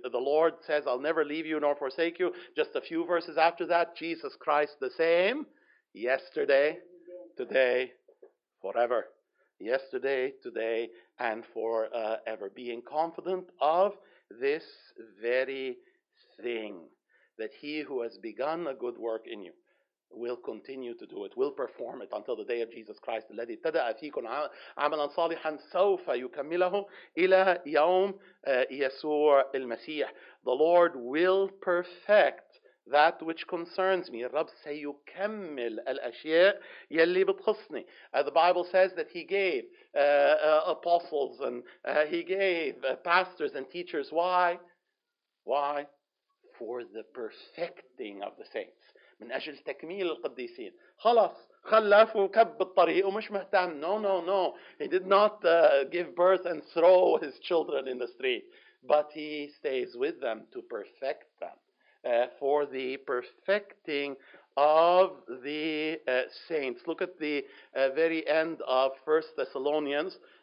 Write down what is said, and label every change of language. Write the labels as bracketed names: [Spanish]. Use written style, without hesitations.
[English] The Lord says, I'll never leave you nor forsake you. Just a few verses after that, Jesus Christ the same, yesterday, today, forever. Yesterday, today, and forever. Being confident of this very thing, that he who has begun a good work in you will continue to do it, will perform it until the day of Jesus Christ. [Arabic] الذي ابتدى فيكم عملا صالحا سوف يكمله إلى يوم يسوع المسيح. [English] The Lord will perfect that which concerns me. [Arabic] الرب سيكمل الأشياء يلي بتخصني. [English] The Bible says that he gave apostles and he gave pastors and teachers. Why? Why? For the perfecting of the saints. [Arabic] من أجل تكميل القديسين. خلاص خلف وكب الطريق ومش مهتم. [English] No, no, no. He did not give birth and throw his children in the street. But he stays with them to perfect them. For the perfecting of the saints. Look at the very end of 1 Thessalonians.